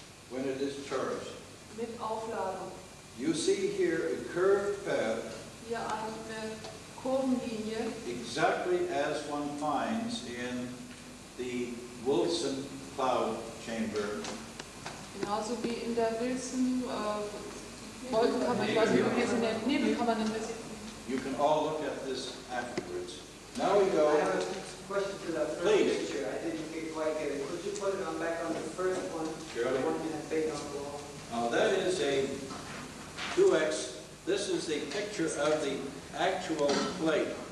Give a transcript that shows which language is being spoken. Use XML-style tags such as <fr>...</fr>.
<en>When it is charged.</en> <de>Mit Aufladung.</de> <en>You see here a curved path.</en> <de>Hier eine Kurvenlinie.</de> <en>Exactly as one finds in the Wilson cloud chamber.</en> <de>Genauso wie in der Wilson Wolkenkammer, ich weiß nicht, wie sie nennt, Nebelkammer nennt man sie.</de> <en>You can all look at this afterwards. Now we go. I have a question to that first picture. I didn't quite get it. Could you put it on back on the first one? Sure. The one you have taken on the wall. Now that is a 2X. This is the picture of the actual plate.</en>